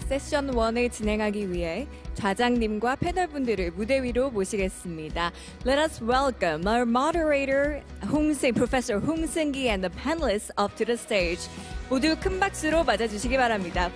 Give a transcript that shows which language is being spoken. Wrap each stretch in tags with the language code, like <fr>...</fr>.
<ko>세션 1을 진행하기 위해 좌장님과 패널분들을 무대 위로 모시겠습니다.</ko> <en>Let us welcome our moderator, Professor Hong Seung-gi and the panelists up to the stage.</en> <ko>모두 큰 박수로 맞아주시기 바랍니다.</ko>